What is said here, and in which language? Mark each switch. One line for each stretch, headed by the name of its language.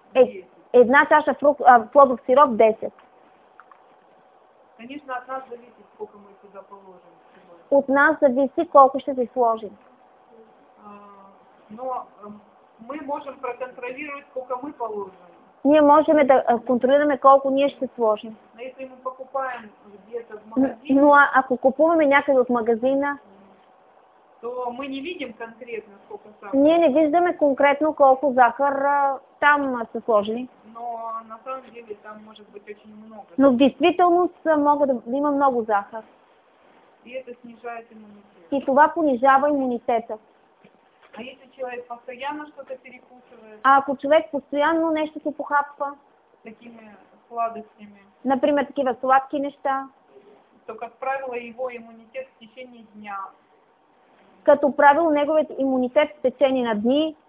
Bulgarian: 10. Една чаша плодов сироп 10.
Russian: Конечно, от нас зависит, сколько мы сюда положим.
Bulgarian: От нас зависит, колко ще ви сложим.
Russian: Но мы можем проконтролировать, сколько мы положим.
Bulgarian: Ние можем да контролираме колко ние ще сложим.
Russian: Но если мы покупаем где-то в магазине,
Bulgarian: ако купуваме някъде от магазина,
Russian: то мы не видим конкретно сколько сахар.
Bulgarian: Ние не виждаме конкретно колко захар там са сложили.
Russian: Но на самом деле там може быть очень много.
Bulgarian: Но в действителност мога да има много захар.
Russian: И это снижает иммунитет.
Bulgarian: И това понижава имунитета.
Russian: А если человек постоянно что-то перекусывает?
Bulgarian: А ако човек постоянно нещо се похапва?
Russian: Такими сладостями.
Bulgarian: Например, такива сладки неща.
Russian: То, как правило, его иммунитет в течение дня.
Bulgarian: Като правило, неговият иммунитет в течение на дни